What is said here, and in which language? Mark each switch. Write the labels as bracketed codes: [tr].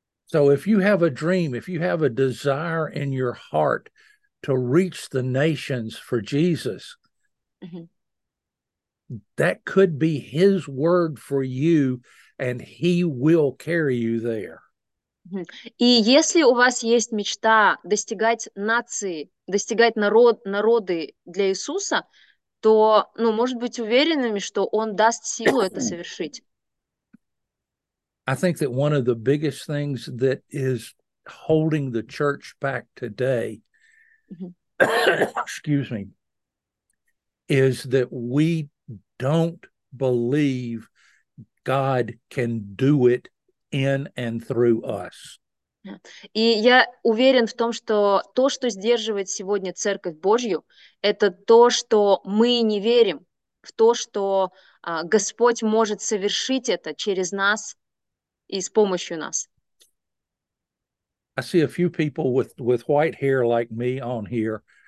[en] So if you have a dream, if you have a desire in your heart to reach the nations for Jesus, that could be his word for you, and he will carry you there. [ru] И если у вас есть мечта достигать нации, достигать народы для Иисуса, то, ну, может быть уверенными, что он даст силу это совершить. [en] I think that one of the biggest things that is holding the church back today, excuse me, is that we don't believe God can do it in and through us. [ru] И я уверен в том, что то, что сдерживает сегодня Церковь Божью, это то, что мы не верим в то, что Господь может совершить это через нас и с помощью нас. [en] I see a few people with white hair like me on here.